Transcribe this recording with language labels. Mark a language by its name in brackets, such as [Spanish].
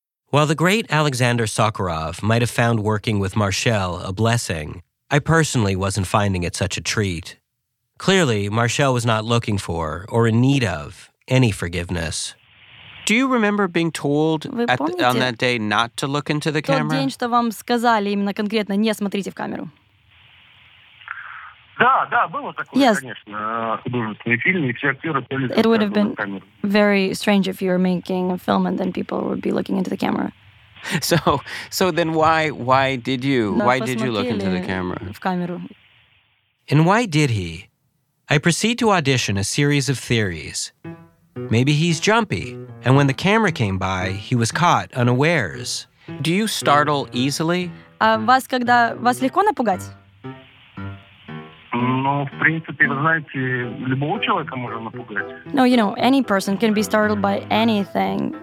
[English] While the great Alexander Sakharov might have found working with Marchel a blessing, I personally wasn't finding it such a treat. Clearly, Marchel was not looking for, or in need of, any forgiveness. Do you remember being told on that day not to look into the camera? [Russian] Тот день, что вам сказали именно конкретно, не смотрите в камеру. Да, было такое, [English] yes. [Russian] Конечно, художественный фильм, и все актеры пели. [English] It would have been very strange if you were making a film and then people would be looking into the camera. So then why did you look into the camera? [Russian] В камеру. [English] And why did he? I proceed to audition a series of theories. Maybe he's jumpy, and when the camera came by, he was caught unawares. Do you startle easily? [Russian] А вас когда вас легко напугать? Ну, в принципе, вы знаете, любого человека можно напугать. [English] No, you know, any person can be startled by anything.